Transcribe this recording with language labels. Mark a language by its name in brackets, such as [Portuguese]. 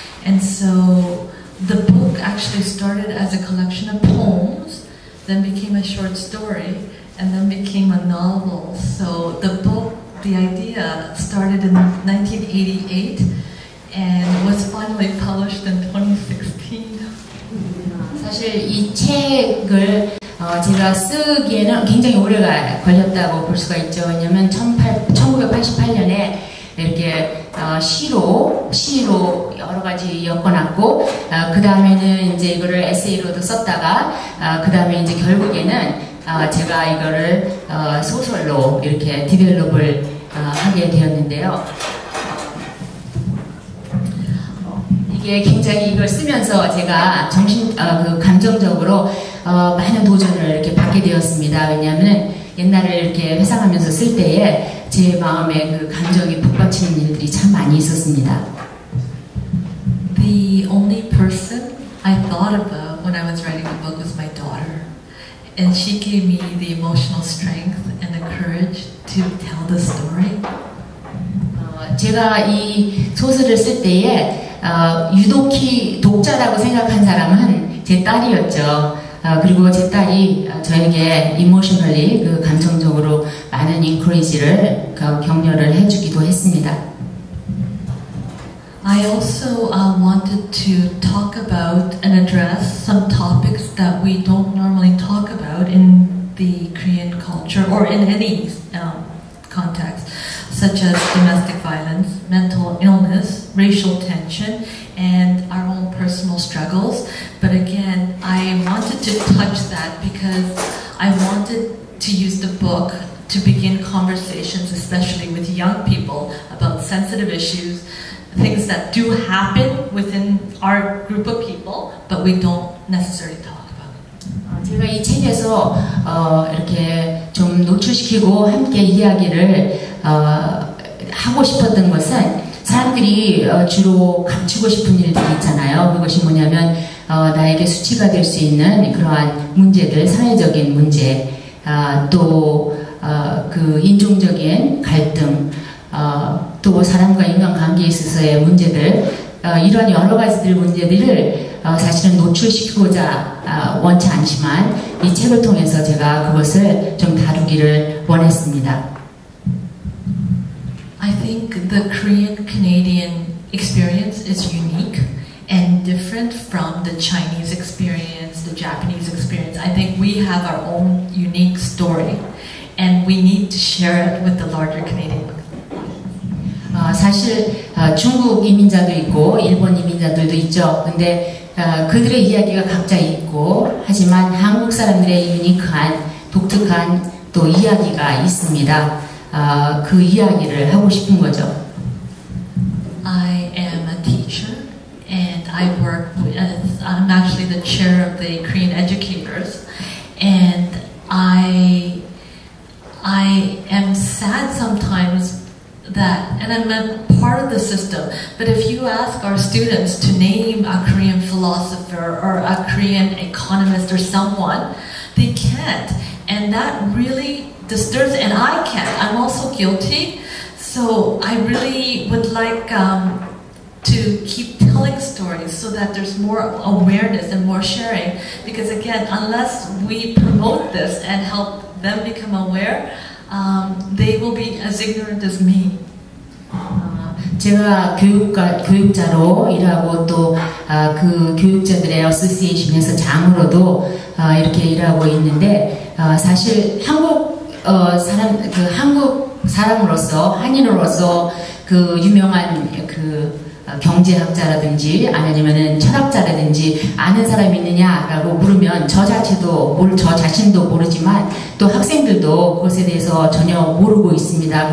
[English] And so the book actually started as a collection of poems, then became a short story, and then became a novel. So the book, the idea started in 1988 and was finally published in 2016. [Korean] 사실 이 책을 제가 쓰기에는 굉장히 오래가 걸렸다고 볼 수가 있죠. 왜냐면 1988년에 이렇게 시로 여러 가지 엮어놨고, 그 다음에는 이제 이거를 에세이로도 썼다가, 그 다음에 이제 결국에는 제가 이거를 소설로 이렇게 디벨롭을 하게 되었는데요. 이게 굉장히 이걸 쓰면서 제가 감정적으로 많은 도전을 이렇게 받게 되었습니다. 왜냐하면 옛날을 이렇게 회상하면서 쓸 때에 제 마음에 그 감정이 북받치는 일들이 참 많이 있었습니다. [English] The only person I thought about when I was writing the book was my daughter. And she gave me the emotional strength and the courage to tell the story. [Korean] 제가 이 소설을 쓸 때에 유독히 독자라고 생각한 사람은 제 딸이었죠. 그리고 제 딸이 저에게 [English] emotionally, [Korean] 그 감정적으로 많은 [English] encourage [Korean] 를 격려를 해주기도 했습니다. [English] I also wanted to talk about and address some topics that we don't normally talk about in the Korean culture or in any context. such as domestic violence, mental illness, racial tension, and our own personal struggles. But again, I wanted to touch that because I wanted to use the book to begin conversations, especially with young people, about sensitive issues, things that do happen within our group of people, but we don't necessarily talk. [Korean] 제가 이 책에서 이렇게 좀 노출시키고 함께 이야기를 하고 싶었던 것은 사람들이 주로 감추고 싶은 일들이 있잖아요. 그것이 뭐냐면 나에게 수치가 될 수 있는 그러한 문제들, 사회적인 문제, 또 그 인종적인 갈등, 또 사람과 인간관계에 있어서의 문제들, 이런 여러 가지들 문제들을 사실은 노출시키고자 원치 않지만 이 책을 통해서 제가 그것을 좀 다루기를 원했습니다. [English] I think the Korean-Canadian experience is unique and different from the Chinese experience, the Japanese experience. I think we have our own unique story and we need to share it with the larger Canadian. [Korean] 사실 중국 이민자도 있고 일본 이민자들도 있죠. 근데 그들의 이야기가 각자 있고 하지만 한국 사람들의 유니크한 독특한 또 이야기가 있습니다. 그 이야기를 하고 싶은 거죠. [English] I am a teacher and I work as I'm actually the chair of the Korean educators and I am sad sometimes that and I'm a part of the system. But if you ask our students to name a Korean philosopher or a Korean economist or someone, they can't. And that really disturbs, and I can't. I'm also guilty. So I really would like to keep telling stories so that there's more awareness and more sharing. Because again, unless we promote this and help them become aware, they will be as ignorant as me. [Korean] 제가 교육자로 일하고 또 그 교육자들의 어소시에이션에서 장으로도 이렇게 일하고 있는데 사실 한국 사람 그 한국 사람으로서 한인으로서 그 유명한 그 경제학자라든지 아니면은 철학자라든지 아는 사람이 있느냐라고 물으면 저 자체도 저 자신도 모르지만 또 학생들도 그것에 대해서 전혀 모르고 있습니다.